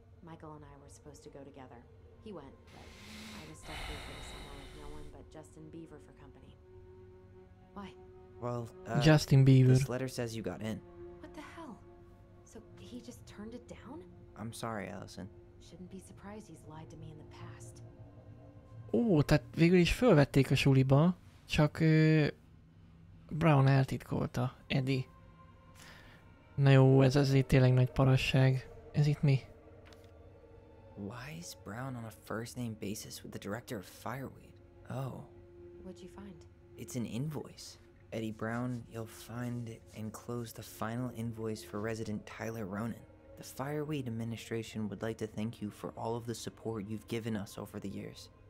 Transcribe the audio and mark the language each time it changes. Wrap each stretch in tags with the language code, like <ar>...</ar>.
<en>Michael and I were supposed to go together. He went, but I was stuck here for the summer with no one but Justin Bieber for company. Why? Well, Justin Bieber. This letter says you got in. What the hell? So he just turned it down? I'm sorry, Allison. Shouldn't be surprised he's lied to me in the past.</en> <hu>Ó, tehát végül is fölvették a suliba, csak Brown eltitkolta, Eddie. Na jó, ez azért tényleg nagy parasság. Ez itt mi?</hu> <en>Why is Brown on a first name basis with the director of Fireweed? Oh. What'd you find? It's an invoice. Eddie Brown, you'll find it and close the final invoice for resident Tyler Ronan. The Fireweed administration would like to thank you for all of the support you've given us over the years.</en>